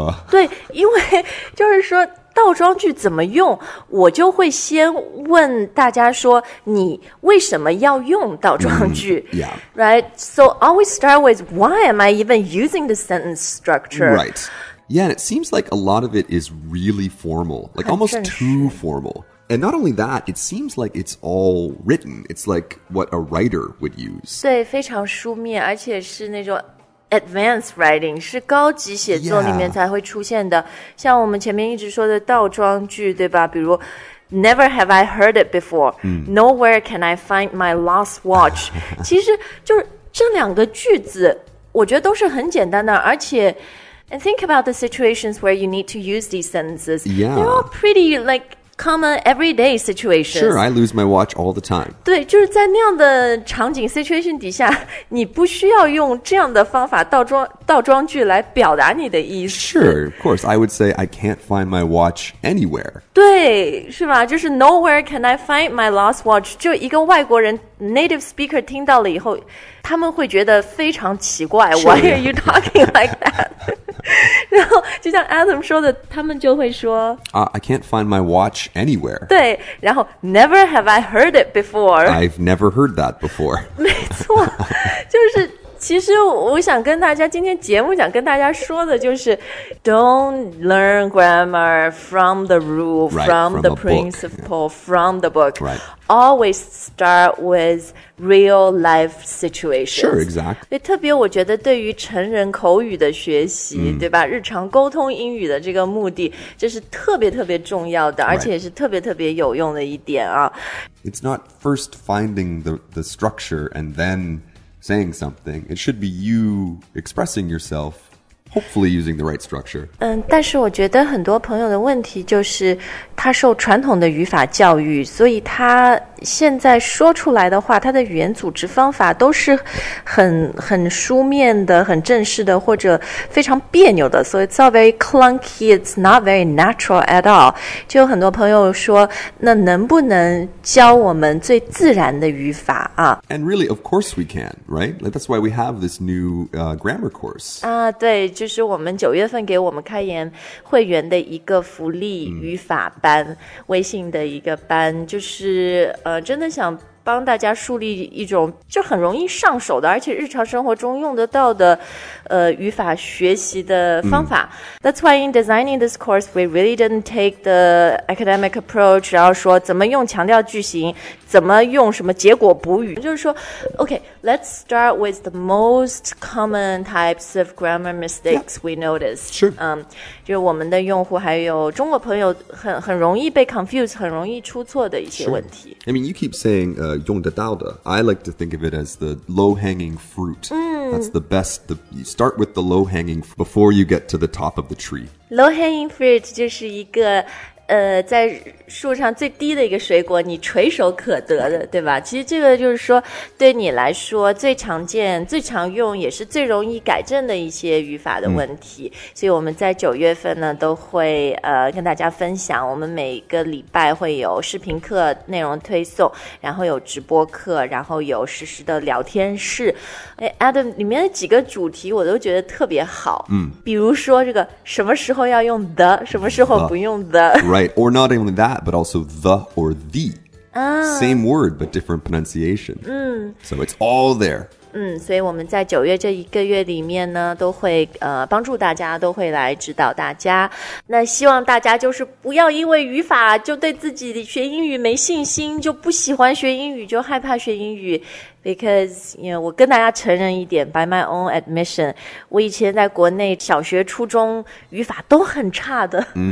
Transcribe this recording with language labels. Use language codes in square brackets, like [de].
[zh] 对，因为就是说倒装句怎么用我就会先问大家说你为什么要用倒装句、 [en] yeah. Right, so always start with Why am I even using the sentence structure? Right. Yeah, and it seems like a lot of it is really formal, like almost too formal. And not only that, it seems like it's all written. It's like what a writer would use. [zh] 对，非常书面，而且是那种 [en] advanced writing, [zh] 是高级写作里面才会出现的。 [en] Yeah. [zh] 像我们前面一直说的倒装句，对吧？比如 [en] Never have I heard it before.、 Mm. Nowhere can I find my lost watch. [zh] 其实就是这两个句子，我觉得都是很简单的，而且 [en] And think about the situations where you need to use these sentences. Yeah. They're all pretty, like, common everyday situations. Sure, I lose my watch all the time. [zh] 对，就是在那样的场景 situation 底下，你不需要用这样的方法倒装句来表达你的意思。 [en] Sure, of course. I would say I can't find my watch anywhere. [zh] 对，是吧？就是 [en] nowhere can I find my lost watch. [zh] 就一个外国人 [en] native speaker [zh] 听到了以后，他们会觉得非常奇怪。 [en] Sure, Why are you talking like that? [zh] 然后就像 Adam 说的，他们就会说 [en] I can't find my watch anywhere. [zh] 对，然后 [en] Never have I heard it before. I've never heard that before. [zh] 没错，就是其实我想跟大家今天节目想跟大家说的就是 [en] Don't learn grammar from the rule, right, from the principle, from the book.、 Right. Always start with real life situations. Sure, exactly. [zh] 特别我觉得对于成人口语的学习、 mm. 对吧日常沟通英语的这个目的这是特别特别重要的、 [en] right. [zh] 而且是特别特别有用的一点啊。 [en] It's not first finding the structure and then...saying something, it should be you expressing yourself hopefully using the right structure. [zh] 但是我觉得很多朋友的问题就是他受传统的语法教育，所以他现在说出来的话，他的语言组织方法都是很书面的，很正式的，或者非常别扭的。 [en] So it's all very clunky, it's not very natural at all. [zh] 就很多朋友说，那能不能教我们最自然的语法啊？ [en] And really, of course we can, right? Like, that's why we have this new grammar course. [zh] 对，就是我们九月份给我们开言会员的一个福利语法班，微信的一个班，就是真的想帮大家树立一种就很容易上手的而且日常生活中用得到的语法学习的方法。 [en] That's why in designing this course, we really didn't take the academic approach, [zh] 然后说怎么用强调句型，怎么用什么结果补语。就是说 [en] okay, let's start with the most common types of grammar mistakes we noticed. Sure. [zh] 就是我们的用户还有中国朋友很容易被 confused, 很容易出错的一些问题。 [en] Sure. I mean, you keep saying, [zh] 用得到的 [en] I like to think of it as the low-hanging fruit. That's the best. You start with the low-hanging fruit before you get to the top of the tree. Low-hanging fruit [zh] 就是一个在树上最低的一个水果，你垂手可得的，对吧？其实这个就是说，对你来说最常见、最常用，也是最容易改正的一些语法的问题。所以我们在九月份呢，都会跟大家分享，我们每个礼拜会有视频课内容推送，然后有直播课，然后有实时的聊天室。哎 ，Adam， 里面的几个主题我都觉得特别好，比如说这个什么时候要用的，什么时候不用的。 [en] Right, or not only that, but also the or the. Same word, but different pronunciation. So it's all there. [zh] 所以我们在九月这一个月里面呢，都会帮助大家，都会来指导大家。那希望大家就是不要因为语法就对自己学英语没信心，就不喜欢学英语，就害怕学英语。 [en] Because, you know, [zh] 我跟大家承认一点 [en] by my own admission, [zh] 我以前在国内小学初中语法都很差的。